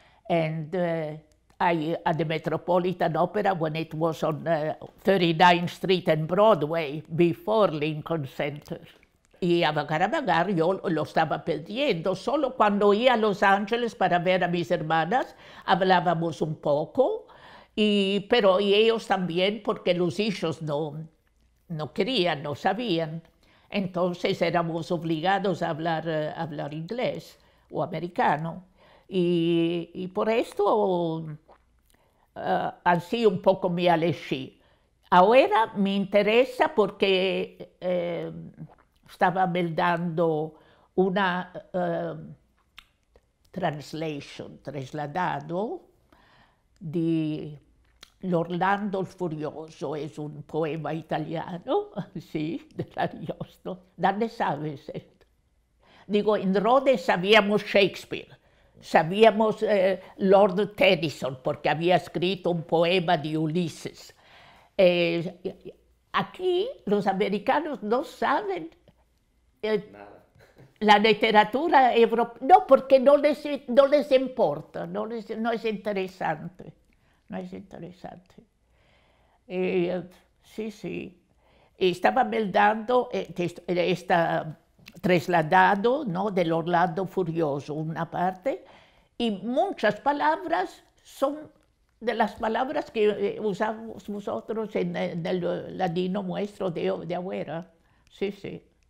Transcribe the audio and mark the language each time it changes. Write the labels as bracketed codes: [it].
[en] And at the Metropolitan Opera, when it was on 39th Street and Broadway, before Lincoln Center. [lad] Y a Bagarabagar yo lo estaba perdiendo. Solo cuando iba a Los Ángeles para ver a mis hermanas, hablábamos un poco. Pero ellos también, porque los hijos no querían, no sabían. Entonces éramos obligados a hablar inglés o americano. Y por esto así un poco me alejé. Ahora me interesa porque estaba me dando una translation, trasladado de... [it] L'Orlando il Furioso è un poema italiano, sì, dell'Ariosto. Dove sai? Dico, in Rhodes sappiamo Shakespeare, sappiamo Lord Tennyson, perché aveva scritto un poema di Ulysses. Qui gli americani non sanno la letteratura europea, no, perché [lad] non les importa, [it] non è interessante. [lad] No es interesante. Sí, sí. Estaba meldando está trasladado, ¿no? Del Orlando Furioso, una parte. y muchas palabras son de las palabras que usamos nosotros en el ladino nuestro de ahora. Sí, sí.